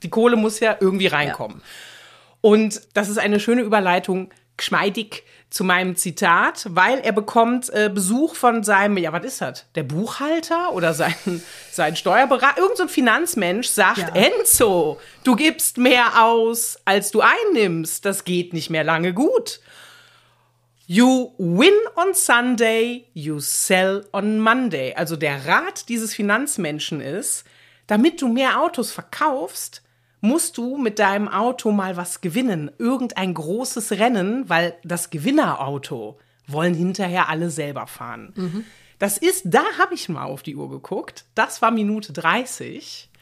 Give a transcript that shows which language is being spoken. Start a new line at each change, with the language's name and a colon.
German: Die Kohle muss ja irgendwie reinkommen. Ja. Und das ist eine schöne Überleitung, geschmeidig zu meinem Zitat, weil er bekommt Besuch von seinem, ja, was ist das? Der Buchhalter oder sein Steuerberater? Irgend so ein Finanzmensch sagt, ja, Enzo, du gibst mehr aus, als du einnimmst. Das geht nicht mehr lange gut.
English: You win on Sunday, you sell on Monday.
German: Also der Rat dieses Finanzmenschen ist, damit du mehr Autos verkaufst, musst du mit deinem Auto mal was gewinnen, irgendein großes Rennen, weil das Gewinnerauto wollen hinterher alle selber fahren. Mhm. Das ist, da habe ich mal auf die Uhr geguckt, das war Minute 30.